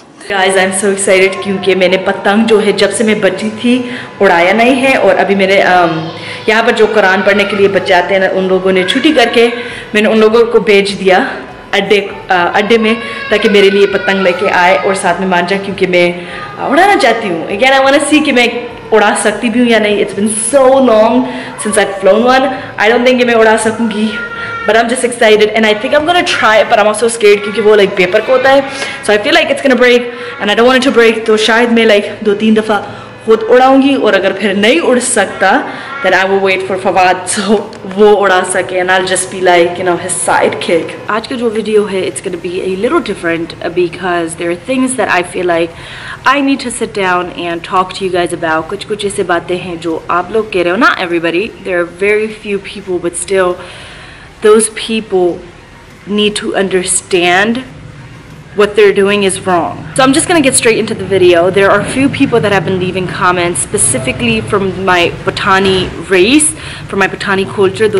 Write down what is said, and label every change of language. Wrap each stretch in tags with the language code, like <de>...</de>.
<en>Guys, I'm so excited because</en> <hi>मैंने पतंग जो है जब से मैं बच्ची थी उड़ाया नहीं है और अभी मेरे यहाँ पर जो कुरान पढ़ने के लिए बच्चे आते हैं ना उन लोगों ने छुट्टी करके मैंने उन लोगों को भेज दिया अड्डे में ताकि मेरे लिए पतंग लेके आए और साथ में मान जाए क्योंकि मैं उड़ाना चाहती हूँ.</hi> <en>Again, I want to see</en> <hi>कि मैं उड़ा सकती भी हूँ या नहीं.</hi> <en>It's been so long since I've flown one. I don't think</en> <hi>कि मैं उड़ा सकूँगी.</hi> <en>But I'm just excited and I think I'm gonna try it. But I'm also scared</en> <hi>क्योंकि वो like paper को होता है.</hi> <en>So I feel like it's gonna break and I don't want it to break.</en> <hi>तो शायद मैं like 2-3 दफा खुद उड़ाऊँगी और अगर फिर नहीं उड़ सकता</hi> <en>then I will wait for Fawad so</en> <hi>वो उड़ा सके</hi> <en>and I'll just be like you know his sidekick.</en> <hi>आज का जो video है</hi> <en>it's gonna be a little different because there are things that I feel like I need to sit down and talk to you guys about.</en> <hi>कुछ कुछ ऐसे बातें हैं जो आप लोग कह रहे हो.</hi> <en>Not everybody, there are very few people but still those people need to understand what they're doing is wrong. So I'm just gonna get straight into the video. There are a few people that have been leaving comments specifically from my Pathani race, from my Pathani culture.</en>